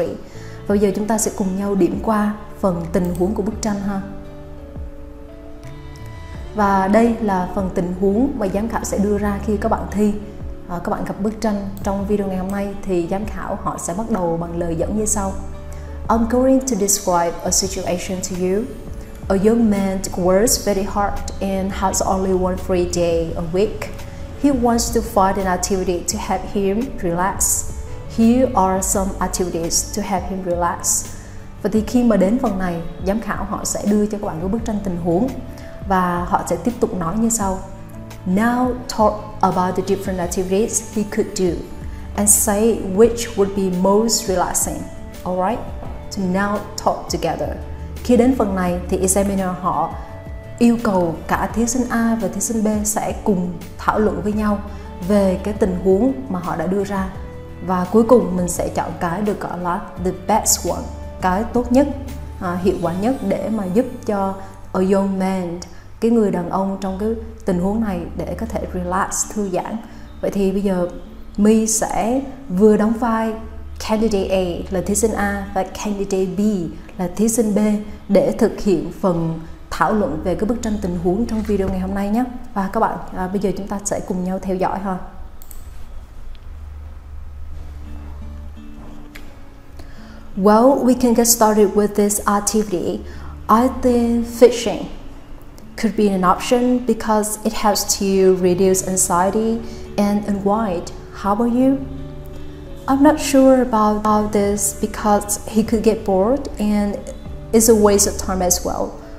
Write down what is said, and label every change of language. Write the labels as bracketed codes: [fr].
[vi] Và bây giờ chúng ta sẽ cùng nhau điểm qua phần tình huống của bức tranh ha. Và đây là phần tình huống mà giám khảo sẽ đưa ra khi các bạn thi. Các bạn gặp bức tranh trong video ngày hôm nay thì giám khảo họ sẽ bắt đầu bằng lời dẫn như sau. [en] I'm going to describe a situation to you. A young man works very hard and has only one free day a week. He wants to find an activity to help him relax. Here are some activities to help him relax. [vi] Và thì khi mà đến phần này, giám khảo họ sẽ đưa cho các bạn cái bức tranh tình huống và họ sẽ tiếp tục nói như sau. [en] Now talk about the different activities he could do and say which would be most relaxing. All right? To now talk together. [vi] Khi đến phần này thì examiner họ yêu cầu cả thí sinh A và thí sinh B sẽ cùng thảo luận với nhau về cái tình huống mà họ đã đưa ra. Và cuối cùng mình sẽ chọn cái được gọi là [en] the best one, [vi] cái tốt nhất, hiệu quả nhất để mà giúp cho [en] a young man, [vi] cái người đàn ông trong cái tình huống này để có thể relax, thư giãn. Vậy thì bây giờ My sẽ vừa đóng vai Candidate A là thí sinh A và Candidate B là thí sinh B để thực hiện phần thảo luận về cái bức tranh tình huống trong video ngày hôm nay nhé. Và các bạn, bây giờ chúng ta sẽ cùng nhau theo dõi ha. [en] Well, we can get started with this activity. I think fishing could be an option because it helps to reduce anxiety and unwind. How about you? I'm not sure about this because he could get bored and it's a waste of time as well.